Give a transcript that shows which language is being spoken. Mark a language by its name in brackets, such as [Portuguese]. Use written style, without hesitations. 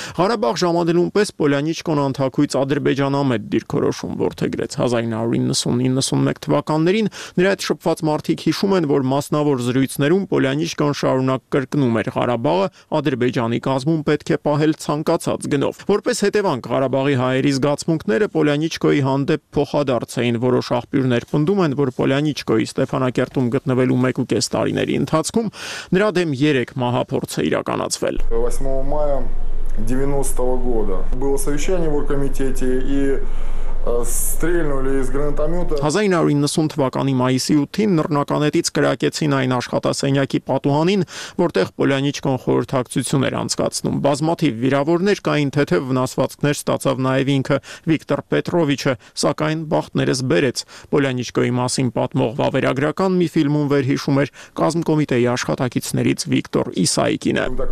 [Armenian] Ղարաբաղ ժամանելուն պես Պոլյանիչկոն անթակույց ադրբեջանամետ դիրքորոշում որդեգրեց 1990-91 թվականներին։ Նրա այդ շփված մարդիկ հիշում են, որ մասնավոր զրույցներում Պոլյանիչկոն շարունակ կրկնում էր Ղարաբաղը Ադրբեջանի կազմում պետք է պահել ցանկացած գնով։ Որպես հետևանք Ղարաբաղի հայերի ցմունքները Պոլյանիչկոյի հանդեպ փոխադարձ էին, որոշ աղբյուրներ պնդում են, որ Պոլյանիչկոյի Ստեփանակերտում գտնվելու 1.5 տարիների ընթացքում նրա դեմ 3 մահապորձ է իրականացվել։ [Russian] 8 մայիս 90-го года было совещание в оргкомитете и стрельнули из гранатомёта [Armenian] 1990 թվականի մայիսի 8-ին նռնականետից կրակեցին այն աշխատասենյակի պատուհանին, որտեղ Պոլյանիչկոն խորհրդակցություն էր անցկացնում։ Բազմաթիվ վիրավորներ կային, թեթև վնասվածքներ ստացավ նաև ինքը Վիկտոր Պետրովիչը, սակայն բախտներս բերեց։ Պոլյանիչկոյի մասին պատմող վավերագրական մի ֆիլմում վերհիշում էր կազմկոմիտեի աշխատակիցներից Վիկտոր Իսայիկինը։